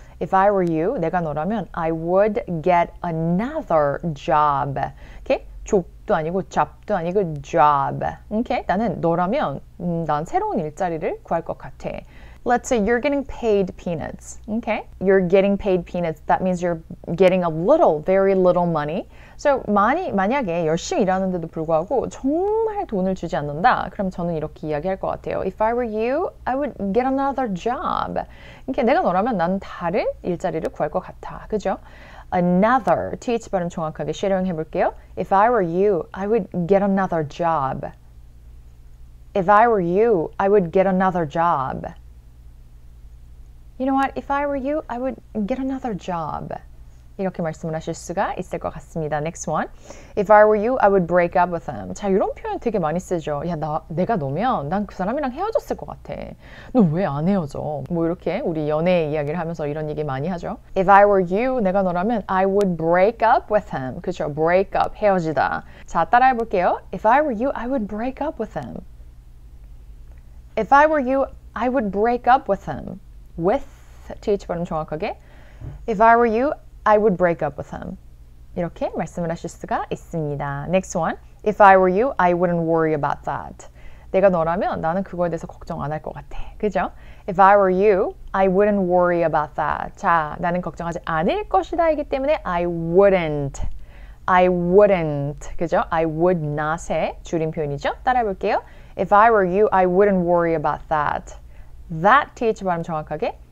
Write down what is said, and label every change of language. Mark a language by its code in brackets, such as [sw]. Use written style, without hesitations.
[en] If I were you, [ko] 내가 너라면 [en] I would get another job. [ko] Okay? 족도 아니고 잡도 아니고 job. Okay? 나는 너라면 난 새로운 일자리를 구할 것 같아. [en] Let's say you're getting paid peanuts. Okay? You're getting paid peanuts. That means you're getting a little, very little money. [ko] So, 만약에 열심히 일하는데도 불구하고 정말 돈을 주지 않는다. 그럼 저는 이렇게 이야기할 것 같아요. [en] If I were you, I would get another job. [ko] 이렇게 내가 너라면 난 다른 일자리를 구할 것 같아. 그죠? Another. TH 발음 정확하게 쉐어링 해볼게요. [en] If I were you, I would get another job. If I were you, I would get another job. You know what? If I were you, I would get another job. [ko] 이렇게 말씀을 하실 수가 있을 것 같습니다. [en] Next one. If I were you, I would break up with him. [ko] 자, 이런 표현 되게 많이 쓰죠. 야, 내가 너면 난 그 사람이랑 헤어졌을 것 같아. 너 왜 안 헤어져? 뭐 이렇게 우리 연애 이야기를 하면서 이런 얘기 많이 하죠. [en] If I were you, [ko] 내가 너라면 [en] I would break up with him. [ko] 그쵸? Break up, 헤어지다. 자, 따라해 볼게요. [en] If I were you, I would break up with him. If I were you, I would break up with him. With, [ko] TH 발음 정확하게. [en] If I were you, I would break up with him. [ko] 이렇게 말씀을 하실 수가 있습니다. [en] Next one. If I were you, I wouldn't worry about that. [ko] 내가 너라면 나는 그거에 대해서 걱정 안 할 것 같아. 그죠? [en] If I were you, I wouldn't worry about that. [ko] 자, 나는 걱정하지 않을 것이다 이기 때문에 [en] I wouldn't. I wouldn't. [ko] 그죠? [en] I would not [ko] 의 줄임 표현이죠? 따라해 볼게요. [en] If I were you, I wouldn't worry about that. That [ko] TH 발음 정확하게.